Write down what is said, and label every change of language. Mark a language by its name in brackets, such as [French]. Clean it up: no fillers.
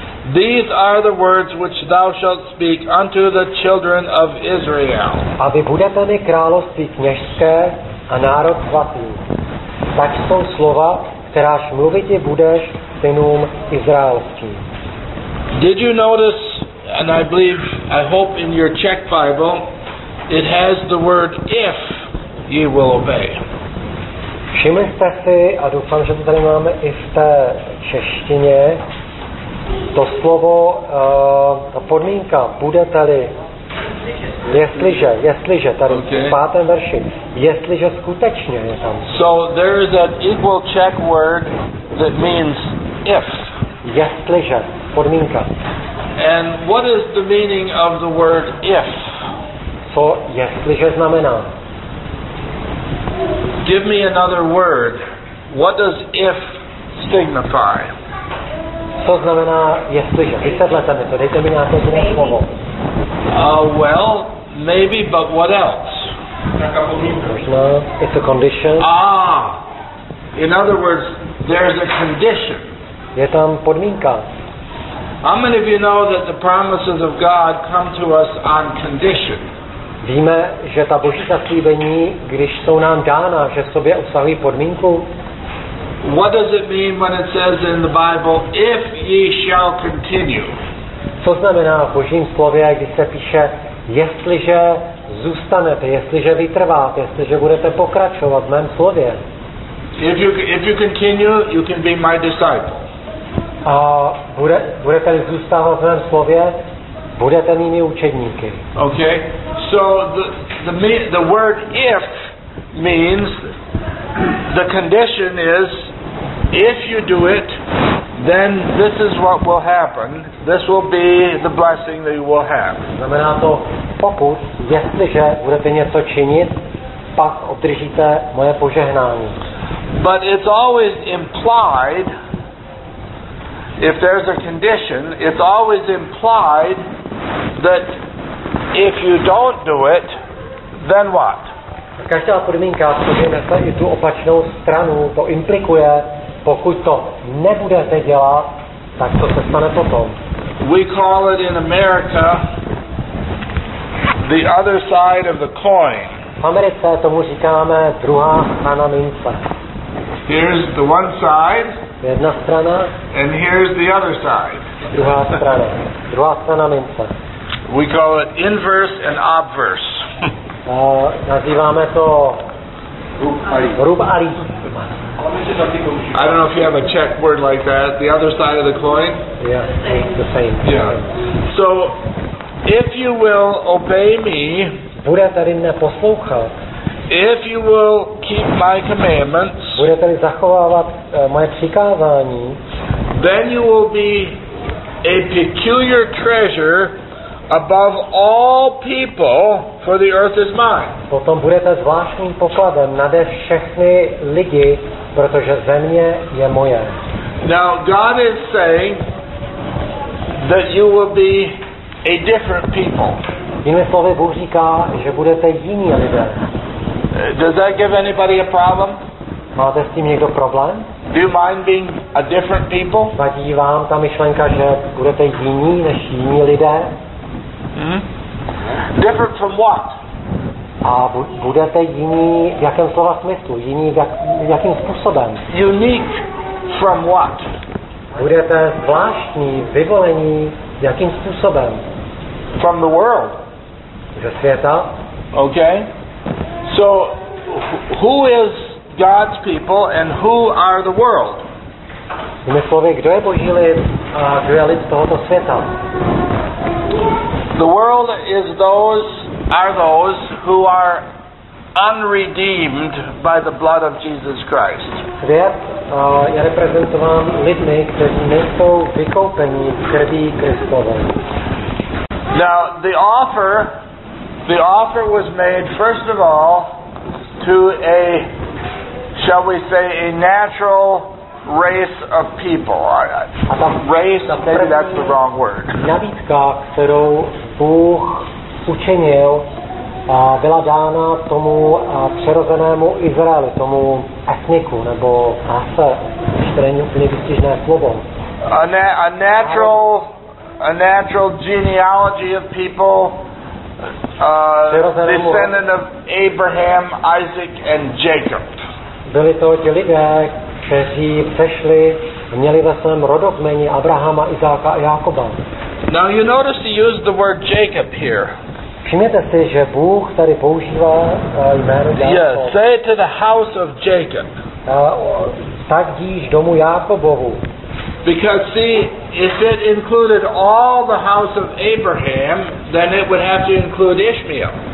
[English] These are the words which thou shalt speak unto the children of Israel. [Czech] A vy budete mi království kněžské a národ svatý. Tak jsou slova, kteráž mluvit je budeš synům izraelským. [English] Did you notice, and I believe, I hope in your Czech Bible, it has the word if ye will obey. [Czech] Všimli jste si, a doufám, že to tady máme i v té češtině, to slovo, ta podmínka, budete-li, jestliže, tady okay. V pátém verši, jestliže skutečně je tam. [English] So there is an equal check word that means if. [Czech] Jestliže, podmínka. [English] And what is the meaning of the word if? [Czech] Co jestliže znamená? [English] Give me another word. What does if signify? [Czech] Co znamená jestliže? Vysvětlete mi to, dejte mi nějaké jiné slovo. [English] Well, maybe, but what else? [Czech] Možná, [English] it's a condition. In other words, there's a condition. [Czech] Je tam podmínka. [English] How many of you know that the promises of God come to us on condition? [Czech] Víme, že ta boží zaslíbení, když jsou nám dána, že sobě obsahují podmínku? [English] What does it mean when it says in the Bible, if ye shall continue? [Czech] Co znamená v Božím slově, když se píše, jestliže zůstanete, jestliže vytrváte, jestliže budete pokračovat v mém slově? [English] If you continue, you can be my disciple. [Czech] A budete zůstávat v mém slově, budete mými učedníky. [English] Okay, so the word if means the condition is, if you do it, then this is what will happen. This will be the blessing that you will have. [Czech] Znamená to, pokud, jestliže budete něco činit, pak obdržíte moje požehnání. [English] But it's always implied, if there's a condition, it's always implied that if you don't do it, then what? [Czech] Každá podmínka, protože nese i tu opačnou stranu, to implikuje, pokud to nebudete dělat, tak to se stane potom. [English] We call it in America the other side of the coin. [Czech] V Americe tomu říkáme druhá strana mince. [English] Here's the one side. [Czech] Jedna strana. [English] And here's the other side. [Czech] Druhá strana. Druhá strana mince. [English] We call it inverse and obverse. [Czech] Nazýváme to rub a líp. [English] I don't know if you have a Czech word like that. The other side of the coin? Yeah, the same. Yeah. So, if you will obey me, [Czech] budete-li mne poslouchat, [English] if you will keep my commandments, [Czech] budete-li zachovávat moje přikázání, [English] then you will be a peculiar treasure above all people, for the earth is mine. [Czech] Potom budete zvláštním pokladem nade všechny lidi, protože země je moje. [English] Now God is saying that you will be a different people. [Czech] Jinými slovy, Bůh říká, že budete jiní lidé. [English] Does that give anybody a problem? [Czech] Máte s tím někdo problém? [English] Do you mind being a different people? [Czech] Vadí vám ta myšlenka, že budete jiní než jiní lidé? [English] Different from what? [Czech] A budete jiní v jakém slova smyslu? Jiní jakým způsobem? [English] Unique from what? [Czech] Budete zvláštní, vyvolení jakým způsobem? [English] From the world. [Czech] Ze světa. [English] Okay. So who is God's people and who are the world? [Czech] Jinými slovy, kdo je Boží lid a kdo je lid tohoto světa? [English] The world is those are those who are unredeemed by the blood of Jesus Christ. [Czech] Svět je reprezentován lidmi, kteří nejsou vykoupeni krví Kristovou. [English] Now the offer was made first of all to a, shall we say, a natural race of people. Race, maybe that's the wrong word. [Czech] Nabídka, kterou Bůh učinil, byla dána tomu přirozenému Izraeli, tomu etniku, nebo asi, které není úplně vystižné slovo. [English] A natural genealogy of people, descendant of Abraham, Isaac and Jacob. [Czech] Byli to ti lidé, kteří přešli, měli ve svém rodokmeni Abrahama, Izáka a Jákoba. [English] Now you notice he used the word Jacob here. [Czech] Všimněte si, že Bůh tady používá jméno Jákob. [English] Yes, say it to the house of Jacob. [Czech] Tak jdíš domu Jákobovu. [English] Because see, if it included all the house of Abraham, then it would have to include Ishmael.